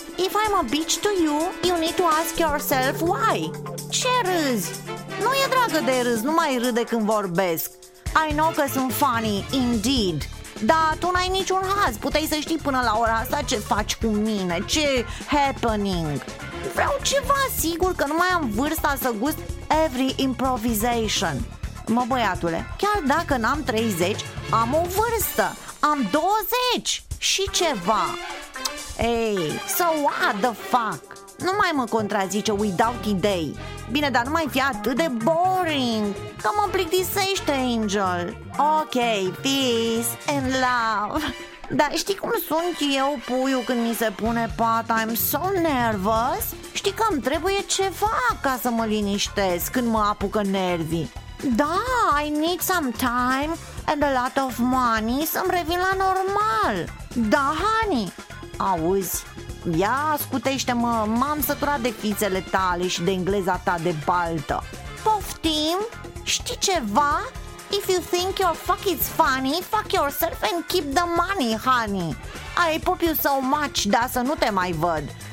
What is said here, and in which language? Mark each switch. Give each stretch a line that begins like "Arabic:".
English: If I'm a bitch to you, you need to ask yourself why.
Romanian: Ce râzi? Nu e dragă de râs, nu mai râde când vorbesc.
English: I know
Romanian: că sunt
English: funny, indeed.
Romanian: Dar tu n-ai niciun haz. Puteai să știi până la ora asta ce faci cu mine. Ce happening? Vreau ceva sigur că nu mai am vârsta să gust
English: every improvisation.
Romanian: Mă, băiatule, chiar dacă n-am 30, am o vârstă. Am 20 și ceva. Ei,
English: so what the fuck?
Romanian: Nu mai mă contrazice
English: without
Romanian: idei. Bine, dar nu mai fi atât de boring. Că mă plictisește, Angel.
English: Ok, peace and love.
Romanian: Dar știi cum sunt eu, puiul, când mi se pune pata?
English: I'm so nervous.
Romanian: Știi că îmi trebuie ceva ca să mă liniștesc când mă apucă nervii.
English: Da, I need some time and a lot of money
Romanian: să-mi revin la normal. Da, honey. Auzi, ia scutește-mă, m-am săturat de fițele tale și de engleza ta de baltă. Poftim, știi ceva?
English: If you think your fuck is funny, fuck yourself and keep the money, honey. I pop you so much,
Romanian: dar să nu te mai văd.